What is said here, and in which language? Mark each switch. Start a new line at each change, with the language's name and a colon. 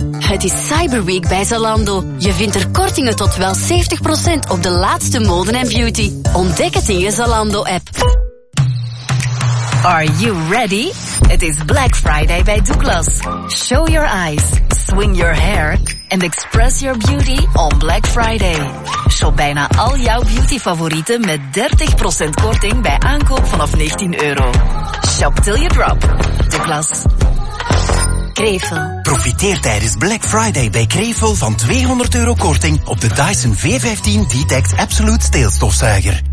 Dutch: Het is Cyber Week bij Zalando. Je vindt er kortingen tot wel 70% op de laatste mode en beauty. Ontdek het in je Zalando-app.
English: Are you ready?
Dutch: Het is Black Friday bij Douglas.
English: Show your eyes, swing your hair and express your beauty on Black Friday.
Dutch: Shop bijna al jouw beautyfavorieten met 30% korting bij aankoop vanaf 19 euro.
English: Shop till you drop. Douglas.
Dutch: Krevel. Profiteer tijdens Black Friday bij Krevel van 200 euro korting op de Dyson V15 Detect Absolute Steelstofzuiger.